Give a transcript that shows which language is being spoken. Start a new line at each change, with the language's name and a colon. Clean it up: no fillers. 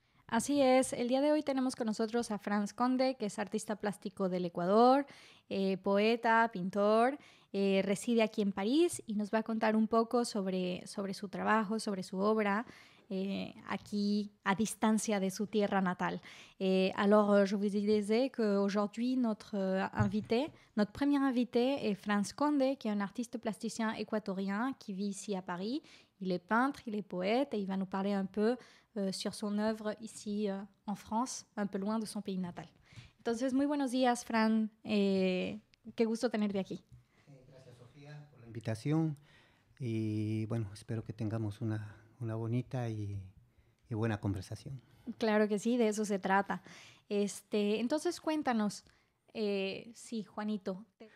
Spanish: Así es, el día de hoy tenemos con nosotros a Franz Conde, que es artista plástico del Ecuador, poeta, pintor, reside aquí en París y nos va a contar un poco sobre su trabajo, sobre su obra, aquí a distancia de su tierra natal.
French: Alors, je vous disais qu'aujourd'hui, notre premier invité est Franz Conde, qui est un artiste plasticien équatorien qui vit ici à Paris. Il est peintre, il est poète et il va nous parler un peu sur son œuvre ici en France, un peu loin de son pays natal.
Spanish: Entonces, muy buenos días, Fran. Qué gusto tenerte aquí. Gracias, Sofía, por la invitación. Y bueno, espero que tengamos una bonita y buena conversación. Claro que sí, de eso se trata. Entonces, cuéntanos. Sí, Juanito.